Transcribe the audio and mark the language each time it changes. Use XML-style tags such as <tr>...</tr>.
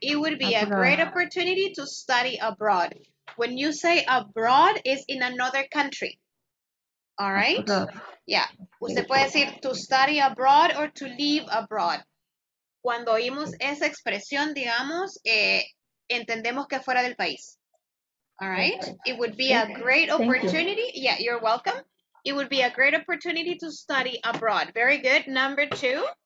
<en>It would be abroad. A great opportunity to study abroad. When you say abroad, it's in another country. All right? Abroad. Yeah.</en> <es>Usted puede decir</es> <en>to study abroad or to live abroad.</en> <es>Cuando oímos esa expresión, digamos, entendemos que fuera del país.</es> <en>All right? It would be a great opportunity. Thank you. Yeah, you're welcome. It would be a great opportunity to study abroad. Very good. Number two.</en>